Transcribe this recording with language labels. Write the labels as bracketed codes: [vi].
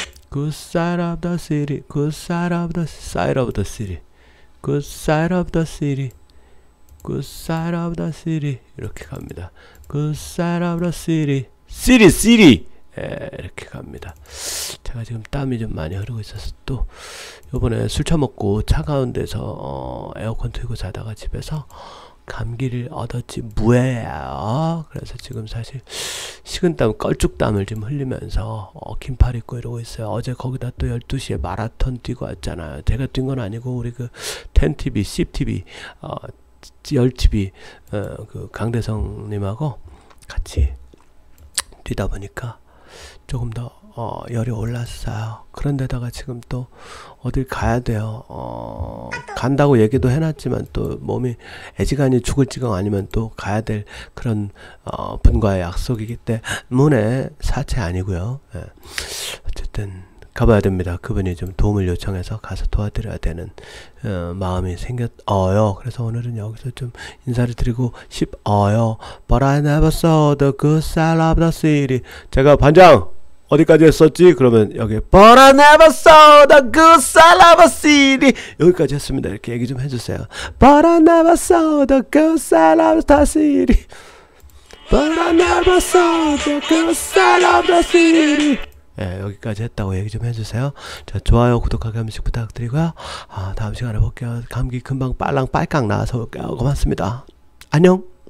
[en] Good side of the city, good side of the side of the city, good side of the city, good side of the city. [ko] 이렇게 갑니다. [en] Good side of the city, city, city. [ko] 예, 이렇게 갑니다. 제가 지금 땀이 좀 많이 흐르고 있어서 또 요번에 술 처먹고 차가운 데서 에어컨 틀고 자다가 집에서 감기를 얻었지 뭐예요. 그래서 지금 사실 식은땀, 껄쭉땀을 지금 흘리면서 긴팔 입고 이러고 있어요. 어제 거기다 또 12시에 마라톤 뛰고 왔잖아요. 제가 뛴건 아니고 우리 그 텐티비, 씹티비, 열티비, 그 강대성님하고 같이 뛰다 보니까 조금 더 열이 올랐어요. 그런데다가 지금 또 어딜 가야 돼요. 간다고 얘기도 해놨지만 또 몸이 애지간히 죽을 지경 아니면 또 가야 될 그런 분과의 약속이기 때문에 사채 아니고요. 예. 어쨌든 가봐야 됩니다. 그분이 좀 도움을 요청해서 가서 도와드려야 되는 마음이 생겼어요. 그래서 오늘은 여기서 좀 인사를 드리고 싶어요. [en] But I never saw the good side of the city. [ko] 제가 반장. 어디까지 했었지? 그러면 여기 [en] But I never saw the good side of a city [ko] 여기까지 했습니다. 이렇게 얘기 좀 해주세요. [en] But I never saw the good side of the city But I never saw the good side of the city [ko] 예, 여기까지 했다고 얘기 좀 해주세요. 자, 좋아요, 구독하기 한 번씩 부탁드리고요. 다음 시간에 볼게요. 감기 금방 빨랑 빨깡 나와서 올게요. 고맙습니다. 안녕.